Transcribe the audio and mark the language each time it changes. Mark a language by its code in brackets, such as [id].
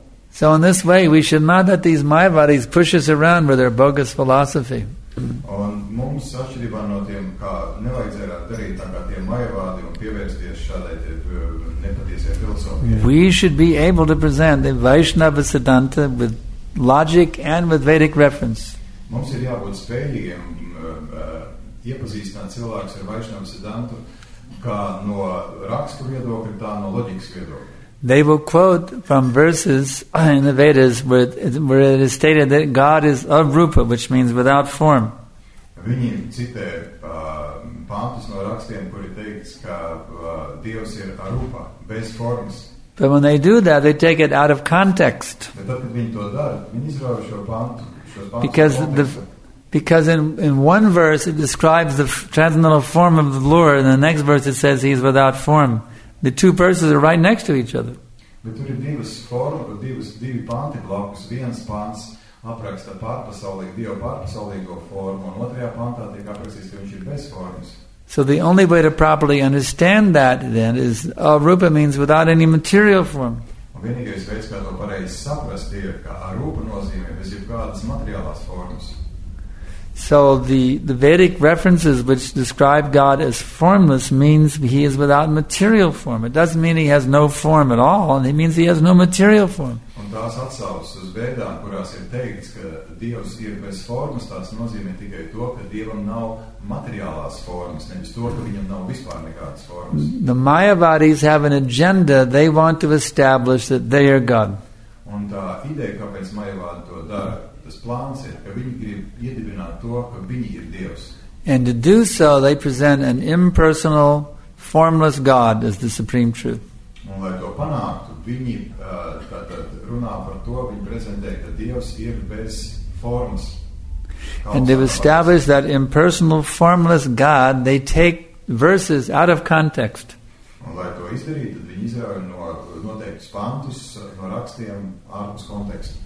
[en] So in this way, we should not let these Mayavadis push us around with their bogus philosophy. [lv] Un mums atšķirībā no tiem, kā nevajadzētu darīt tā kā tiem Mayavādi un pievērsties šādai nepatiesai filozofijai. [en] We should be able to present the Vaishnava Siddhanta with logic and with Vedic reference. [lv] Mums ir jābūt spējīgiem iepazīstināt cilvēkus ar Vaishnava Siddhantu kā no rakstu viedokļa, tā no loģikas viedokļa. [en] They will quote from verses in the Vedas where it is stated that God is of rupa, which means without form. [lv] Viņi citē pāntus no rakstiem, kuri teiks, ka Dievs ir arūpa, bez formas. [en] But when they do that, they take it out of context. [lv] Bet tad, kad viņi to dar, viņi izrauj šo pāntu. [en] Because in one verse it describes the transcendental form of the Lord, and the next verse it says he is without form. The two verses are right next to each other. [lv] Bet tur ir divi panti blakus. Viens pants apraksta pārpasaulīgu, Dievu pārpasaulīgo formu, un otrajā pantā tiek aprakstīts, ka viņš ir bez formas. [en] So the only way to properly understand that then is arūpa means without any material form. [lv] Vienīgais veids, kā to pareizi saprast, ir, ka arūpa nozīmē bez jebkādas materiālās formas. [en] So the Vedic references which describe God as formless means he is without material form. It doesn't mean he has no form at all, and it means he has no material form. [lv] Un tās atsauces uz Vedām, kurās ir teikts, ka Dievs ir bez formas, tās nozīmē tikai to, ka Dievam nav materiālās formas, nevis to, ka viņam nav vispār nekādas formas. [en] The Mayavadis have an agenda, they want to establish that they are God. [lv] Un tā ideja, kāpēc Mayavadi to dara, tas plāns ir, ka viņi grib iedibināt to, ka viņi ir Dievs. [en] And to do so, they present an impersonal, formless God as the supreme truth. [lv] Un lai to panāktu, viņi tātad runā par to, viņi prezentē, ka Dievs ir bez formas. [en] And to establish that impersonal, formless God, they take verses out of context. [lv] Un lai to izdarītu, tad viņi izrauj no noteiktus pantus, no rakstiem ārpus konteksta.